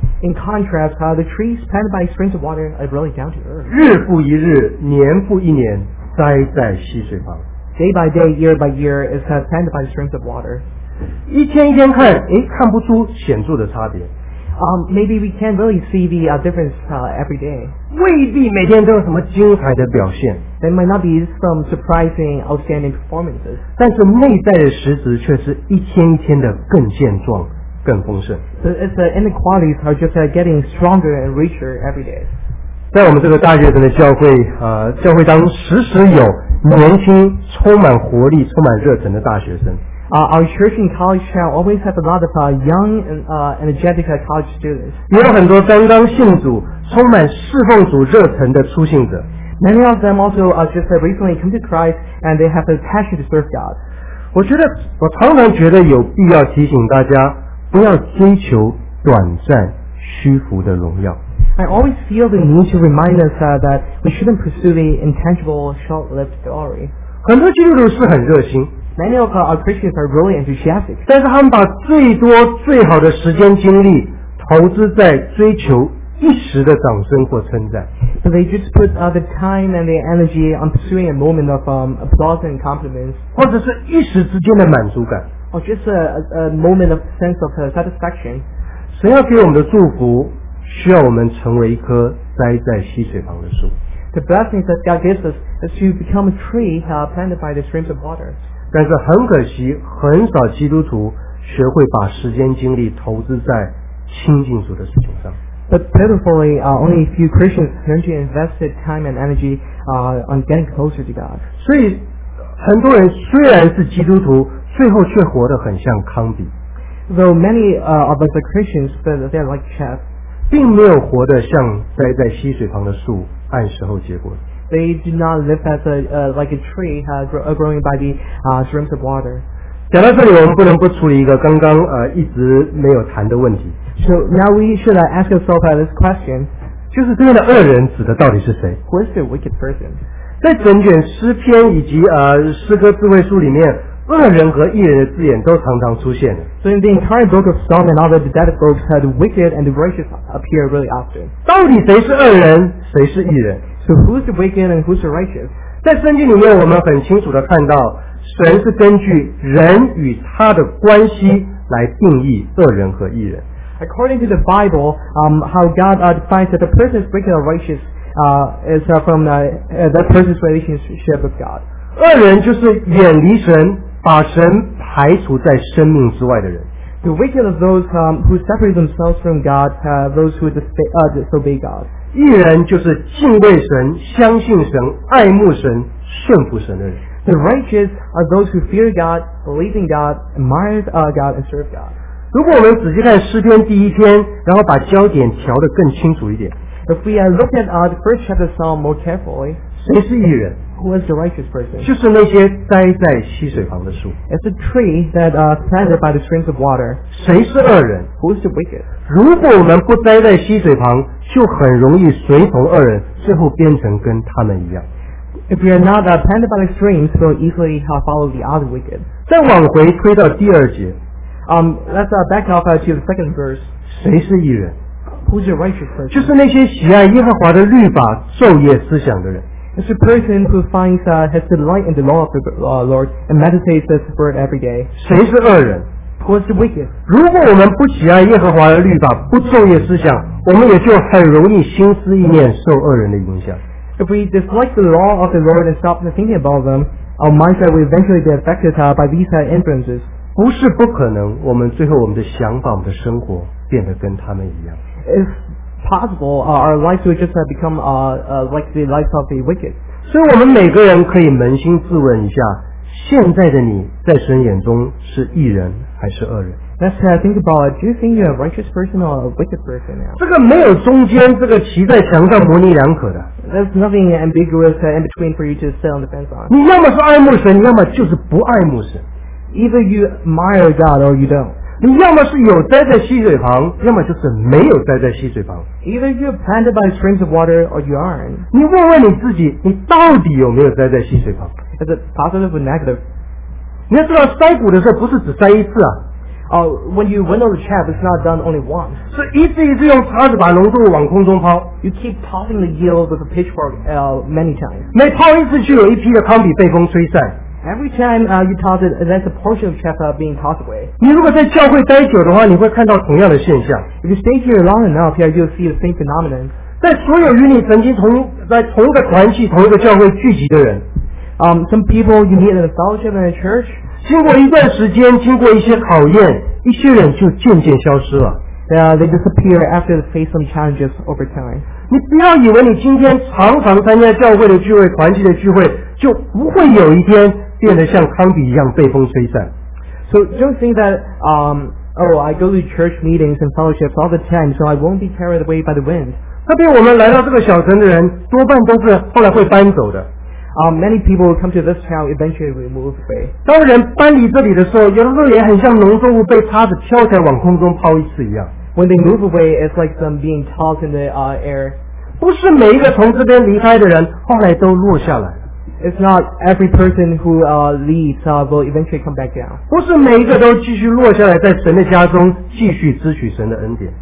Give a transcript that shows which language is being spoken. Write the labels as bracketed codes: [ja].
[en] In contrast, the trees planted by streams of water are really down to earth. [zh] 日复一日，年复一年，栽在溪水旁。 [en] Day by day, year by year, it's planted by streams of water. [zh] 一天一天看，看不出显著的差别。 [en] Maybe we can't really see the difference every day. [zh] 未必每天都有什么精彩的表现。 [en] There might not be some surprising, outstanding performances. [zh] 但是内在的实质却是一天一天的更健壮、更丰盛。 [en] So its inner qualities are just getting stronger and richer every day. [zh] 在我们这个大学生的教会当中，时时有年轻充满活力充满热忱的大学生。 [en] Our church and college town always have a lot of young and energetic college students. [zh] 也有很多刚刚信主充满侍奉主热忱的初信者。 [en] Many of them also just recently come to Christ and they have a passion to serve God. [zh] 我觉得我常常觉得有必要提醒大家不要追求短暂虚浮的荣耀。 [en] I always feel the need to remind us that we shouldn't pursue the intangible short-lived glory. [zh] 很多基督徒是很热心。 [en] Many of our Christians are really enthusiastic. [zh] 但是他们把最多最好的时间精力投资在追求一时的掌声或称赞。 [en] But they just put the time and the energy on pursuing a moment of applause and compliments. [zh] 或者是一时之间的满足感。 [en] Or just a moment of sense of satisfaction. [zh] 神要给我们的祝福需要我们成为一棵栽在溪水旁的树。 [en] The blessings that God gives us is to become a tree planted by the streams of water. [zh] 但是很可惜，很少基督徒学会把时间精力投资在亲近主的事情上。 [en] But pitifully, only a few Christians tend to invest time and energy on getting closer to God. [zh] 所以很多人虽然是基督徒，最后却活得很像康比。 [en] Though many of us are Christians, but they are like Chef. [zh] 并没有活得像栽在溪水旁的树按时候结果。 [en] They do not live as a like a tree growing by the streams of water. [zh] 讲到这里，我们不能不处理一个刚刚一直没有谈的问题。 [en] So now we should ask ourselves this question. [zh] 就是这边的恶人指的到底是谁 [en] ？Who is the wicked person? [zh] 在整卷诗篇以及诗歌智慧书里面。恶人和义人的字眼都常常出现的。 [en] So in the entire book of Psalm and other prophetic books, the wicked and the righteous appear really often. [zh] 到底谁是恶人，谁是义人 [en] ？So who's the wicked and who's the righteous? [zh] 在圣经里面，我们很清楚地看到，神是根据人与他的关系来定义恶人和义人。 [en] According to the Bible, how God defines that a person is wicked or righteous, is from that person's relationship with God. [zh] 恶人就是远离神。把神排除在生命之外的人 [en] The wicked of those who separate themselves from God those who disobey God [zh] 义人就是敬畏神相信神爱慕神顺服神的人 [en] The righteous are those who fear God believe in God admire God and serve God [zh] 如果我们仔细看诗篇第一篇然后把焦点调得更清楚一点 [en] If we look at the first chapter of Psalm more carefully [zh] 谁是义人 [en] Who is the righteous person? [zh] 就是那些栽在溪水旁的树。 [en] It's a tree that planted by the streams of water. [zh] 谁是恶人 [en] ？Who is the wicked? [zh] 如果我们不栽在溪水旁，就很容易随从恶人，最后变成跟他们一样。 [en] If you are not planted by the streams, you will easily follow the other wicked. [zh] 再往回推到第二节。 [en] Let's back off to the second verse. [zh] 谁是义人 [en] ？Who is the righteous person? [zh] 就是那些喜爱耶和华的律法、昼夜思想的人。 [en] It's a person who finds has delight in the law of the Lord and meditates this word every day. [zh] 谁是恶人 [en] ？Who is the wicked? [zh] 如果我们不喜爱耶和华的律法，不昼夜思想，我们也就很容易心思意念受恶人的影响。 [en] If we dislike the law of the Lord and stop thinking about them, our mindset will eventually be affected by these influences. [zh] 不是不可能，我们最后我们的想法、我们的生活变得跟他们一样。 [en] Possible, our lives will just become like the lives of the wicked. [zh] 所以我们每个人可以扪心自问一下，现在的你在神眼中是义人还是恶人 [en] ？Let's think about it. Do you think you're a righteous person or a wicked person now? [zh] 这个没有中间，这个骑在墙上模棱两可的。 [en] There's nothing ambiguous in between for you to sit on the fence on. [zh] 你要么是爱慕神，你要么就是不爱慕神。 [en] Either you admire God or you don't. [zh] 你要么是有栽在溪水旁，要么就是没有栽在溪水旁。 [en] Either you're planted by streams of water or you aren't. [zh] 你问问你自己，你到底有没有栽在溪水旁 [en] ？Is it positive or negative? [zh] 你要知道筛谷的时候不是只筛一次啊。 [en] When you winnow the chaff, it's not done only once. [zh] 是一次一次用叉子把农作物往空中抛。 [en] You keep tossing the yield with a pitchfork many times. [zh] 每抛一次就有一批的糠秕被风吹散。 [en] Every time you toss it, there's a portion of chaff being tossed away. [zh] 你如果在教会待久的话，你会看到同样的现象。 [en] If you stay here long enough, you'll see the same phenomenon. [zh] 在所有与你曾经在同一个团契、同一个教会聚集的人 [en] ，some people you meet in a fellowship in a church. [zh] 经过一段时间，经过一些考验，一些人就渐渐消失了。 [en] They disappear after they face some challenges over time. [zh] 你不要以为你今天常常参加教会的聚会、团契的聚会。就不会有一天变得像康比一样被风吹散。 [en] So don't think that, I go to church meetings and fellowships all the time, so I won't be carried away by the wind. [zh] 那边我们来到这个小城的人，多半都是后来会搬走的。 [en] Many people will come to this town eventually will move away. [zh] 当人搬离这里的时候，有的时候也很像农作物被叉子敲起来往空中抛一次一样。 [en] When they move away, it's like them being tossed in the air. [zh] 不是每一个从这边离开的人后来都落下来。 [en] It's not every person who leaves will eventually come back down. [zh] 不是每一个都继续落下来在神的家中继续支取神的恩典。